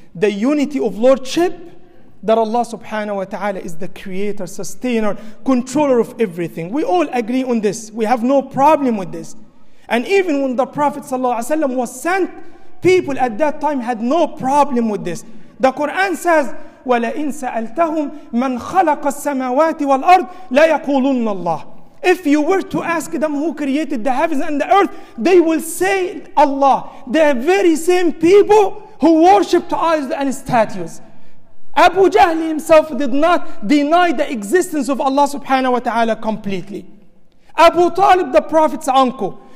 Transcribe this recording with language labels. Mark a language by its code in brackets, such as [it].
[en] The unity of lordship, that Allah subhanahu wa ta'ala is the creator, sustainer, controller of everything. We all agree on this. We have no problem with this. And even when the Prophet ﷺ was sent, people at that time had no problem with this. The Quran says, [ar] وَلَئِن سَأَلْتَهُمْ مَنْ خَلَقَ السَّمَاوَاتِ وَالْأَرْضِ لَيَقُولُنَّ اللَّهِ. [en] If you were to ask them who created the heavens and the earth, they will say Allah. The very same people who worshipped idols and statues. Abu Jahl himself did not deny the existence of Allah subhanahu wa ta'ala completely. Abu Talib, the Prophet's uncle,